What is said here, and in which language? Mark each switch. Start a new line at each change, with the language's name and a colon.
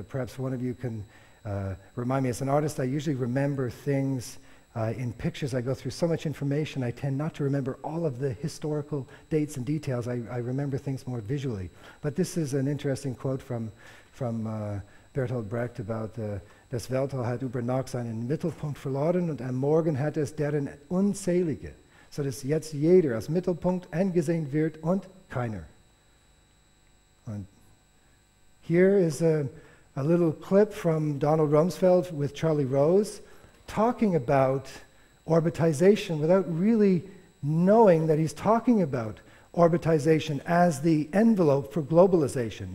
English: Perhaps one of you can remind me. As an artist, I usually remember things in pictures. I go through so much information, I tend not to remember all of the historical dates and details. I remember things more visually. But this is an interesting quote from Bertolt Brecht about
German: das Weltall hat über Nacht seinen Mittelpunkt verloren und am Morgen hat es deren unzählige, so dass jetzt jeder als Mittelpunkt angesehen wird und keiner.
English: And here is a little clip from Donald Rumsfeld with Charlie Rose, talking about orbitization without really knowing that he's talking about orbitization as the envelope for globalization.